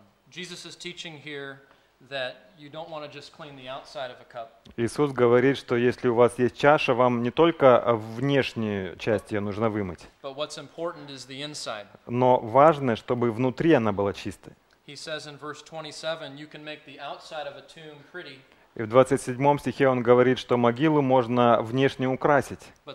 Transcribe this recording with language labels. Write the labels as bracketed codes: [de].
[en] Jesus is teaching here that you don't want to just clean the outside of a cup. [ru] Иисус говорит, что если у вас есть чаша, вам не только внешнюю часть ее нужно вымыть. [en] But what's important is the inside. [ru] Но важно, чтобы внутри она была чистой. [en] He says in verse 27, you can make the outside of a tomb pretty. [ru] И в 27 стихе он говорит, что могилу можно внешне украсить.